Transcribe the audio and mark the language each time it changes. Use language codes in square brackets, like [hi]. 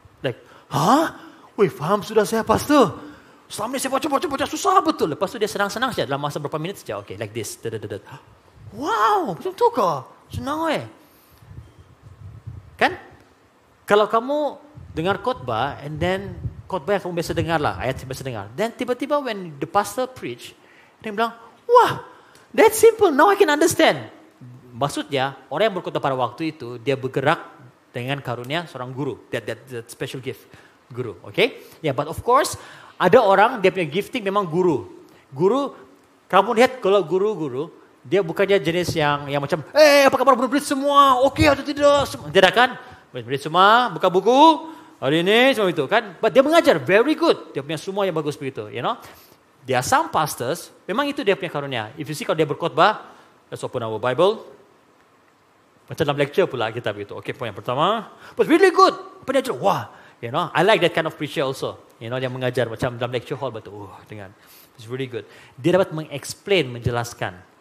[ms] Like, hah? Wih, faham sudah saya, pastor. Selama ini saya baca, susah betul. Lepas itu dia senang-senang saja dalam masa berapa minit saja. Okay, like this. Wow, betul kah? Senang eh. Kan? Kalau kamu dengar khotbah, and then khotbah yang kamu biasa dengar lah, ayat yang biasa dengar. [en] Then tiba-tiba when the pastor preach, [ms] dia bilang, wah, [en] that's simple, now I can understand. [ms] Maksudnya, orang yang berkhotbah pada waktu itu, dia bergerak dengan karunia seorang guru. [en] That special gift, guru. Okay? Yeah, but of course, [ms] ada orang, dia punya gifting memang guru. Guru, kamu lihat kalau guru-guru, dia bukannya jenis yang macam, eh, apa kabar, murid-murid semua, okay atau tidak. Tidak kan? Murid-murid semua, buka buku, hari ini, semua itu kan. But dia mengajar, [en] very good. [ms] Dia punya semua yang bagus begitu, you know. [en] There are some pastors, [ms] memang itu dia punya karunia. [en] If you see [ms] kalau dia berkhotbah, [en] let's open our Bible. [ms] Macam dalam lecture pula kita begitu. Okay, poin yang pertama. [en] But really good. [ms] Apa dia ajar? [en] Wah, you know, I like that kind of preacher also. [ms] You know, dia mengajar macam dalam lecture hall. Betul. Dengan, [en] it's really good. [ms] Dia dapat mengexplain, menjelaskan.